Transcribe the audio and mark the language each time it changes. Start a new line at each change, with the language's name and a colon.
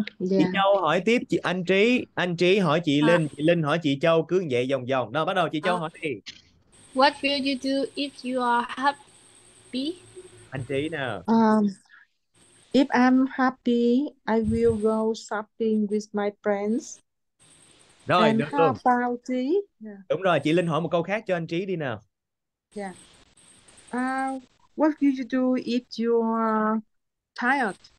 Vietnamese: Chị Châu hỏi tiếp chị anh Trí hỏi chị Linh, chị Linh hỏi chị Châu, cứ vậy vòng vòng. Đâu bắt đầu chị Châu hỏi đi.
English: What will you do if you are happy?
Vietnamese: Anh Trí nè.
English: If I'm happy, I will go shopping with my friends.
Vietnamese: Rồi,
English: and
Vietnamese: được
English: how
Vietnamese: luôn.
English: About tea?
Vietnamese: Đúng rồi, chị Linh hỏi một câu khác cho anh Trí đi nào.
English: Yeah. What will you do if you are tired?